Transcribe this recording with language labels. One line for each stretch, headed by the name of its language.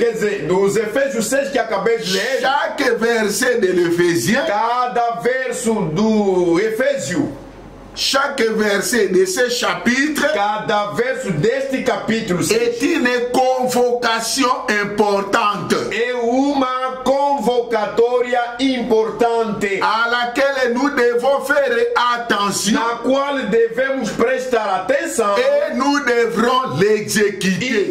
Portuguese: quer dizer, dos Efésios 6 que acabei de ler,
French: chaque verset de l'Ephésien,
Portuguese: cada verso do Efésio,
French: chaque verset de ce chapitre,
Portuguese: cada verso deste capítulo,
French: est une convocation importante,
Portuguese: é uma convocatória importante,
French: à laquelle nous devons faire attention,
Portuguese: na qual devemos prestar atenção,
French: et nous devrons l'exécuter,